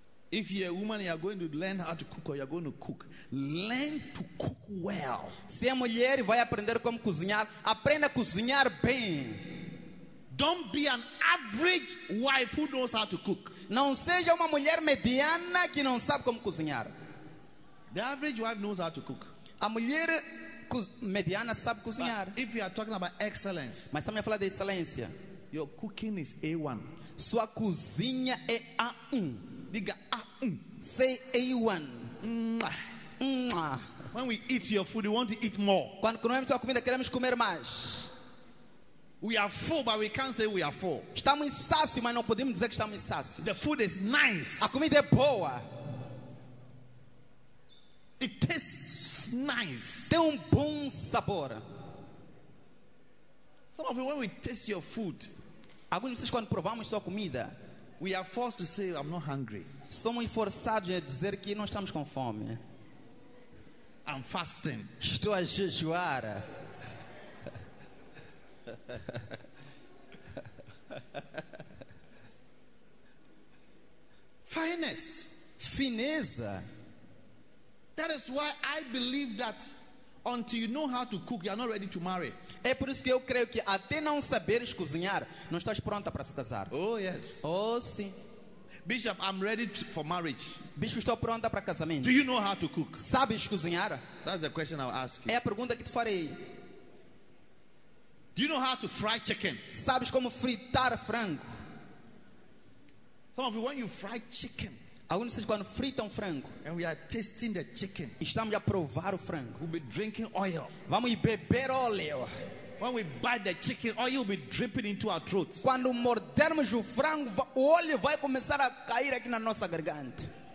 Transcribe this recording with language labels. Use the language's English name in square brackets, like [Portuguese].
[English] If you're a woman, you are going to learn how to cook, or you are going to cook. Learn to cook well. [Portuguese] Se é mulher e vai aprender como cozinhar, aprenda a cozinhar bem. [English] Don't be an average wife who knows how to cook. [Portuguese] Não seja uma mulher mediana que não sabe como cozinhar. [English] The average wife knows how to cook. [Portuguese] A mulher mediana sabe cozinhar. [English] But if you are talking about excellence, [Portuguese] mas estamos a falar de excelência. [English] Your cooking is A1. [Portuguese] Sua cozinha é A1. Diga A1. [English] Say A1. When we eat your food, we want to eat more. [Portuguese] Quando comemos sua comida, queremos comer mais. [English] We are full, but we can't say we are full. [Portuguese] Estamos sácios, mas não podemos dizer que estamos sácios. [English] The food is nice. [Portuguese] A comida é boa. [English] It tastes nice. [Portuguese] Tem bom sabor. [English] Some of you, when we taste your food, [Portuguese] alguns de vocês quando provamos sua comida, [English] we are forced to say I'm not hungry. [Portuguese] Somos forçados a dizer que não estamos com fome. [English] I'm fasting. [Portuguese] Estou a jejuar. [English] Finest. [Portuguese] Fineza. [English] That is why I believe that until you know how to cook, you are not ready to marry. [Portuguese] É por isso que eu creio que até não saberes cozinhar, não estás pronta para se casar. [English] Oh yes. [Portuguese] Oh sim. [English] Bishop, I'm ready for marriage. [Portuguese] Bishop, estou pronta para casamento. [English] Do you know how to cook? [Portuguese] Sabes cozinhar? [English] That's the question I'll ask you. [Portuguese] É a pergunta que te farei. [English] Do you know how to fry chicken? [Portuguese] Sabes como fritar frango? [English] Some of you, when you fry chicken, [Portuguese] alguns de vocês quando fritam frango, [English] and we are tasting the chicken, [Portuguese] estamos a provar o frango. [English] We'll be drinking oil. [Portuguese] Vamos beber óleo. [English] When we bite the chicken, oil will be dripping into our throats. [Portuguese] Quando mordermos o frango, o óleo vai começar a cair aqui na nossa garganta.